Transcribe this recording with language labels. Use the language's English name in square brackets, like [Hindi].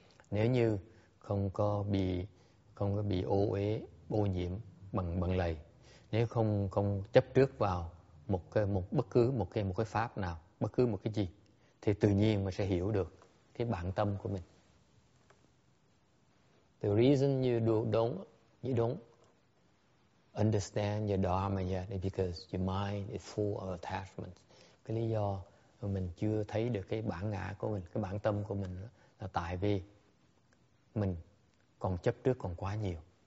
[Vietnamese] Nếu như không có bị ô uế ô nhiễm bằng lầy, nếu không chấp trước vào một cái pháp nào, bất cứ một cái gì, thì tự nhiên mình sẽ hiểu được cái bản tâm của mình. [English] The reason you don't understand your dharma yet is because your mind is full of attachments. [Vietnamese] Cái lý do mình chưa thấy được cái bản ngã của mình, cái bản tâm của mình là tại vì mình còn chấp trước còn quá nhiều.